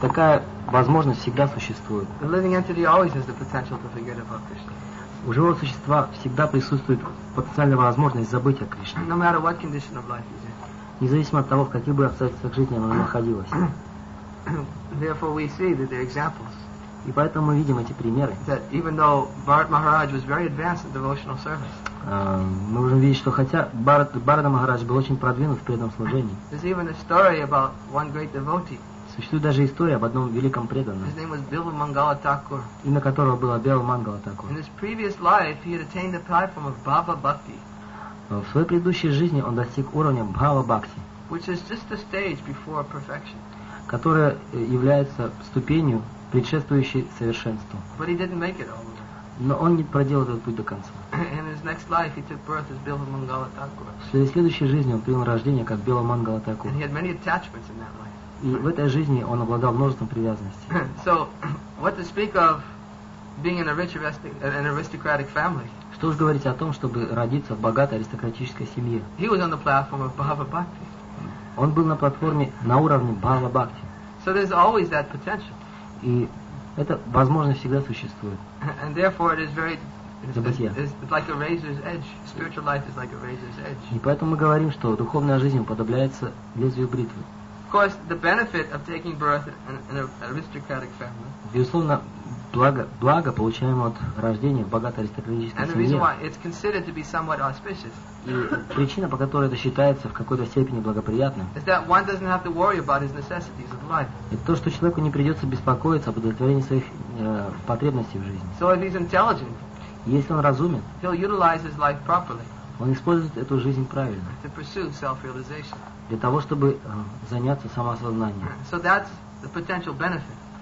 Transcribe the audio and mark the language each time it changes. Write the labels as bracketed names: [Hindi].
[Russian] Такая возможность всегда существует. [English] The living entity always has the potential to forget about Krishna. [Russian] У живого существа всегда присутствует потенциальная возможность забыть о Кришне. [English] No matter what condition of life is in. [Russian] Независимо от того, в каких бы обстоятельствах жизни она находилась. [English] Therefore we see that there are examples. [Russian] И поэтому мы видим эти примеры. [English] That even though Bharat Maharaj was very advanced in devotional service. [Russian] Мы можем видеть, что хотя Барада Махарадж был очень продвинут в преданном служении, [English] there's even a story about one great devotee. [Russian] Существует даже история об одном великом преданном. [English] His name was Bilva Mangala Thakur. [Russian] Имя которого было Бела Мангала Такур. [English] In his previous life, he had attained the platform of Bhava Bhakti. [Russian] В своей предыдущей жизни он достиг уровня Бхава Бхакти, [English] which is just the stage before perfection. [Russian] Которая является ступенью, предшествующей совершенству. [English] But he didn't make it all the way. [Russian] Но он не проделал этот путь до конца. [English] In his next life, he took birth as Bilva Mangala Thakur. [Russian] В своей следующей жизни он принял рождение как Бела Мангала Такур. [English] And he had many attachments in that life. [Russian] И в этой жизни он обладал множеством привязанностей. [English] So, what to speak of being in a rich aristocratic family? [Russian] Что же говорить о том, чтобы родиться в богатой аристократической семье? [English] He was on the platform of Bhava Bhakti. [Russian] Он был на платформе на уровне Бхава Бхакти. [English] So there's always that potential. [Russian] И эта возможность всегда существует. [English] And therefore it is very it's like a razor's edge. Spiritual life is like a razor's edge. [Russian] И поэтому мы говорим, что духовная жизнь уподобляется лезвию бритвы. [English] Of course, the benefit of taking birth in an aristocratic family. [Russian] Безусловно, благо получаемое от рождения в богатой аристократической семье. [English] And the reason why it's considered to be somewhat auspicious. [Russian] И причина, по которой это считается в какой-то степени благоприятным. [English] Is that one doesn't have to worry about his necessities of life. [Russian] Это то, что человеку не придется беспокоиться об удовлетворении своих потребностей в жизни. [English] So if he's intelligent, [Russian] если он разумен, [English] he'll utilize his life properly. [Russian] Он использует эту жизнь правильно. [English] To pursue self-realization. [Russian] Для того, чтобы заняться самоосознанием. [English] So that's the potential benefit.